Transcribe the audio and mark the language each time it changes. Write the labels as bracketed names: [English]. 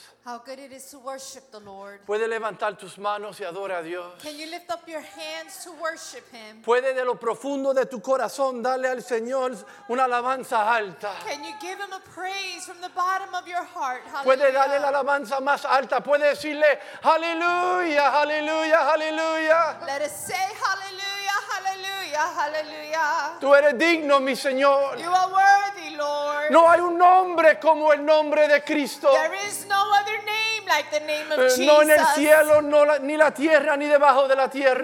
[English] How good it is to worship the Lord. [Spanish] Puede levantar tus manos y adora a Dios. [English] Can you lift up your hands to worship him? [Spanish] Puede de lo profundo de tu corazón darle al Señor una alabanza alta. [English] Can you give him a praise from the bottom of your heart? Hallelujah. [Spanish] Puede darle la alabanza más alta. Puede decirle hallelujah, hallelujah, hallelujah. [English] Let us say hallelujah, hallelujah, hallelujah. [Spanish] Tú eres digno, mi Señor. [English] You are worthy, Lord. [Spanish] No hay un nombre como el nombre de Cristo. [English] There is no other name like the name of Jesus. [Spanish] No en el cielo, no la, ni la tierra, ni debajo de la tierra.